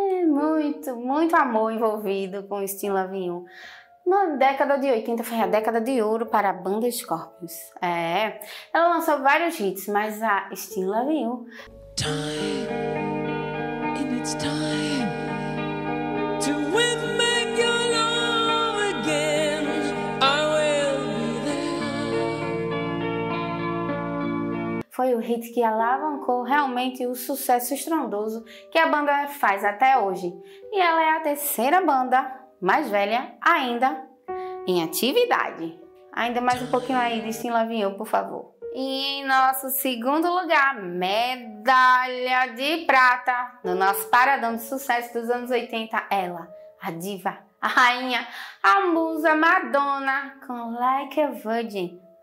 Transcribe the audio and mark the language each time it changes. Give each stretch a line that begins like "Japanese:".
Portuguese: Muito, muito amor envolvido com Steel Love You. Na década de 80 foi a década de ouro para a banda Scorpions. É, ela lançou vários hits, mas a Steel Love You.
English: Time, and it's time to win back your love again. I will be there.
Portuguese: Foi o hit que alavancou realmente o sucesso estrondoso que a banda faz até hoje. E ela é a terceira banda mais velha ainda em atividade. Ainda mais um pouquinho aí de Steel Love You, por favor. E em nosso segundo lugar, medalha de prata no nosso paradão de sucesso dos anos 80, ela, a diva, a rainha, a musa Madonna com Like a Virgin.